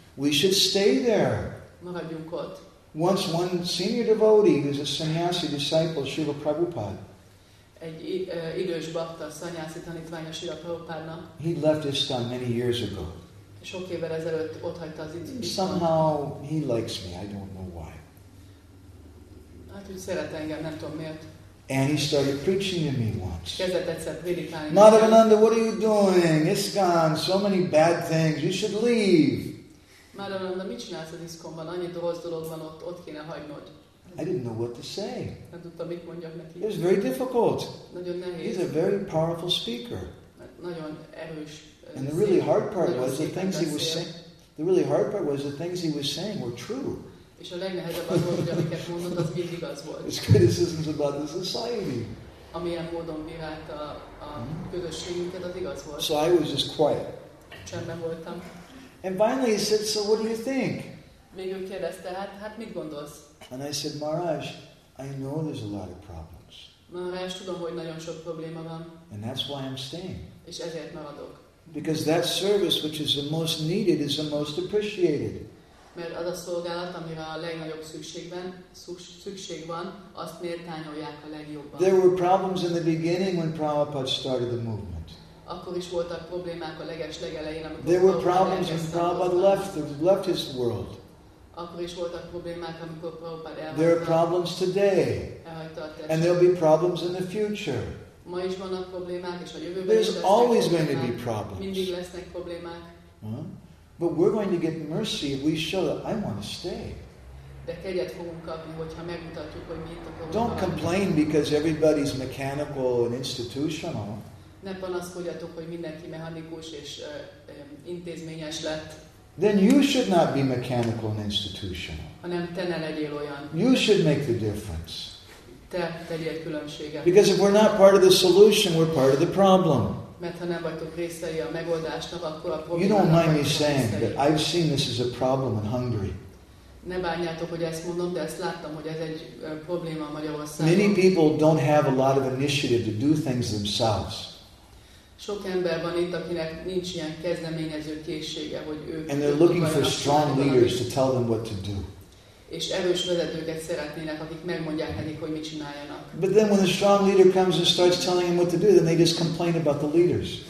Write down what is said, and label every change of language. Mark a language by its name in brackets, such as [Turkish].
[English] We should stay there. [Hungarian] Maradjunk ott. [English] Once one senior devotee, who is a sannyasi disciple, Srila Prabhupada. [Hungarian] Egy idős bhakta, sannyasi tanítványa Srila Prabhupádnak. [English] He left Istan many years ago. [Hungarian] Sok évvel ezelőtt ott hagyta az Istant. [English] Somehow he likes me, I don't know why. [Hungarian] Hát úgy szeret engem, nem tudom miért. [English] And he started preaching to me once. [Hungarian] Kezdett egyszer prédikálni. [English] Madhavananda, what are you doing? Iskan, so many bad things. You should leave. [Hungarian] Madhavananda, mit csinálsz az Iskonban? Annyi rossz dolog van ott, ott kéne hagynod. [English] I didn't know what to say. [Hungarian] Nem tudtam, mit mondjak neki. [English] It was very difficult. [Hungarian] Nagyon nehéz. [English] He's a very powerful speaker. [Hungarian] Nagyon erős. [English] And the really hard part was the things he was saying. The really hard part was the things he was saying were true. [Hungarian] És a legnehezebb az, hogy amiket mondott, az mindig igaz volt. [English] His criticisms about the society. [Hungarian] Amilyen módon bírált a közösségünket, az igaz volt. [English] So I was just quiet. [Hungarian] Csendben voltam. [English] And finally he said, so what do you think? [Hungarian] Végül kérdezte, hát mit gondolsz? [English] And I said, Maharaj, I know there's a lot of problems. [Hungarian] Maharaj, tudom, hogy nagyon sok probléma van. [English] And that's why I'm staying. [Hungarian] És ezért maradok. [English] Because that service which is the most needed is the most appreciated. [Hungarian] Mert az a szolgálat, amire a legnagyobb szükségben szükség van, azt méltányolják a legjobban. [English] There were problems in the beginning when Prabhupada started the movement. [Hungarian] Akkor is voltak problémák a legelején, amikor [English] there were problems when Prabhupada left his world. [Hungarian] Akkor is voltak problémák, amikor Prabhupada elhagyta. [English] There are problems today. And there'll be problems in the future. [Hungarian] Ma is vannak problémák, és a jövőben [English] there's [Hungarian] is lesznek [English] always [Hungarian] problémák. [English] Going to be problems. [Hungarian] Mindig lesznek problémák. [English] But we're going to get mercy if we show that I want to stay. [Hungarian] De kegyet fogunk kapni, hogyha megmutatjuk, hogy mi itt a probléma. [English] Don't complain because everybody's mechanical and institutional. [Hungarian] Ne panaszkodjatok, hogy mindenki mechanikus és intézményes lett. [English] Then you should not be mechanical and institutional. [Hungarian] Hanem te ne legyél olyan. [English] You should make the difference. [Hungarian] Te tegyél különbséget. [English] Because if we're not part of the solution, we're part of the problem. [Hungarian] Mert ha nem vagytok részei a megoldásnak, akkor a problémának. [English] You don't mind me saying that I've seen this as a problem in Hungary. [Hungarian] Ne bánjátok, hogy ezt mondom, de ezt láttam, hogy ez egy probléma Magyarországon. [English] Many people don't have a lot of initiative to do things themselves. [Hungarian] Sok ember van itt, akinek nincs ilyen kezdeményező készsége, hogy ők. [English] And they're looking for strong leaders to tell them what to do. [Hungarian] És erős vezetőket szeretnének, akik megmondják nekik, hogy mit csináljanak. [English] But then when a strong leader comes and starts telling them what to do, then they just complain about the leaders.